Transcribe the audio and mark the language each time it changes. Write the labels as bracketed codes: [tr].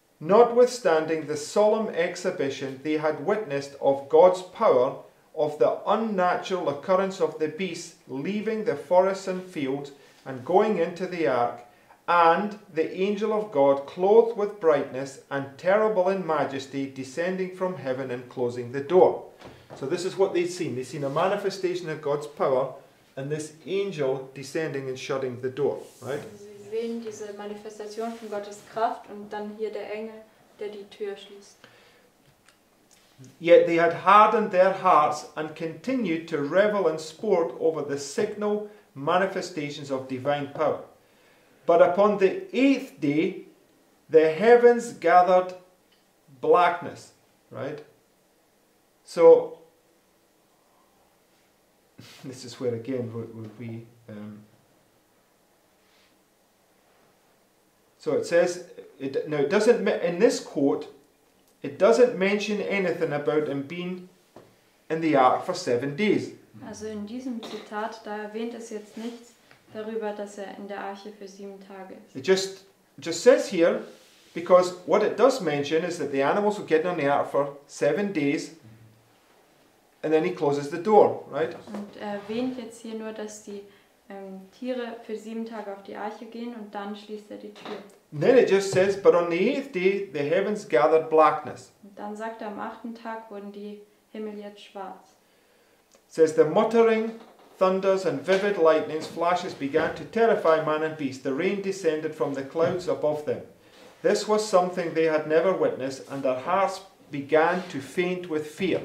[en] Notwithstanding the solemn exhibition they had witnessed of God's power, of the unnatural occurrence of the beasts leaving the forests and fields and going into the ark, and the angel of God clothed with brightness and terrible in majesty descending from heaven and closing the door. So this is what they've seen. They've seen a manifestation of God's power and this angel descending and shutting the door, right? [de] Sie sehen diese Manifestation von Gottes Kraft und dann hier der Engel, der die Tür schließt. [en] Yet they had hardened their hearts and continued to revel and sport over the signal manifestations of divine power. But upon the eighth day, the heavens gathered blackness, right? So, this is where again would we... so it says, now it doesn't, in this quote, it doesn't mention anything about him being in the ark for 7 days. [de] Also in diesem Zitat, da erwähnt es jetzt nichts darüber, dass in der Arche für 7 Tage ist. [en] It just says here, because what it does mention is that the animals were getting on the ark for 7 days, and then he closes the door, right? [de] Und er erwähnt jetzt hier nur, dass die Tiere für 7 Tage auf die Arche gehen und dann schließt die Tür. [en] Then it just says, but on the 8th day the heavens gathered blackness. [de] Und dann sagt am 8. Tag wurden die Himmel jetzt schwarz. [en] It says the muttering thunders and vivid lightnings flashes began to terrify man and beast. The rain descended from the clouds above them. This was something they had never witnessed, and their hearts began to faint with fear.